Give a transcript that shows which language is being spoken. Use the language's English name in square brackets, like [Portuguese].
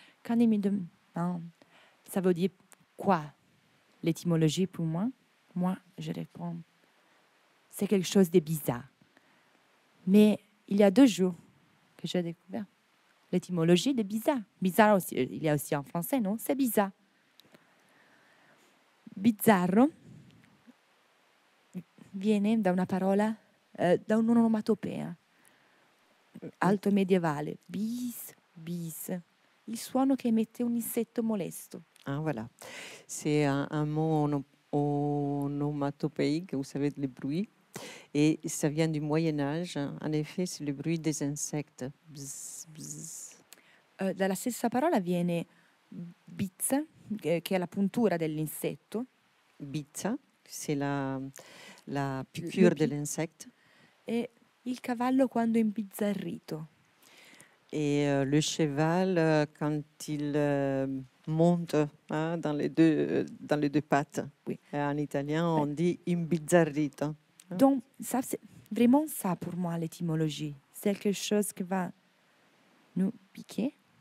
[French] Quand il me demande, ça veut dire quoi l'étymologie pour moi? Moi, je réponds, c'est quelque chose de bizarre. Mais il y a deux jours que j'ai découvert l'étymologie de bizarre. Bizarre aussi, il y a aussi en français, non? C'est bizarre. [Italian] Bizarro viene da una parola, da un'onomatopea, alto medievale, bis, bis, il suono che emette un insetto molesto. [French] Ah, voilà. C'est un mot onomatopéique, vous savez, le bruit, et ça vient du Moyen-Âge, en effet, c'est le bruit des insectes. Bzz, bzz. [Italian] Dalla stessa parola viene bizza, che è la puntura dell'insetto. [French] Bizza, c'est la piqûre de l'insecte. [Italian] Et il cavallo quando imbizzarrito. [French] Et le cheval quand il monte dans les deux pattes. Oui. En italien, on dit imbizzarrito. Hein? Donc, ça, c'est vraiment ça pour moi, l'étymologie. C'est quelque chose qui va nous piquer,